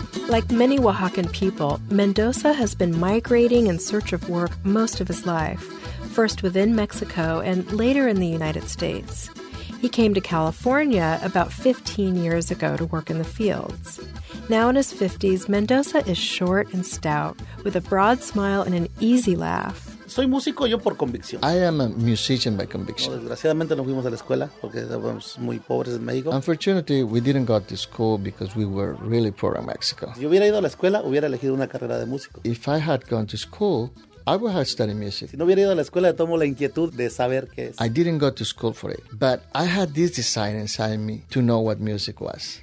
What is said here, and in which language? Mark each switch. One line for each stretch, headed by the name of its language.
English: Like many Oaxacan people, Mendoza has been migrating in search of work most of his life, first within Mexico and later in the United States. He came to California about 15 years ago to work in the fields. Now in his 50s, Mendoza is short and stout, with a broad smile and an easy laugh.
Spanish: Soy músico yo por convicción.
English: I am a musician by conviction.
Spanish: Desgraciadamente no fuimos a la escuela porque éramos muy pobres en México.
English: Unfortunately, we didn't go to school because we were really poor in Mexico.
Spanish: Si hubiera ido a la escuela, hubiera elegido una carrera de músico.
English: If I had gone to school, I would have studied music.
Spanish: Si no hubiera ido a la escuela, tomo la inquietud de saber qué es.
English: I didn't go to school for it, but I had this desire inside me to know what music was.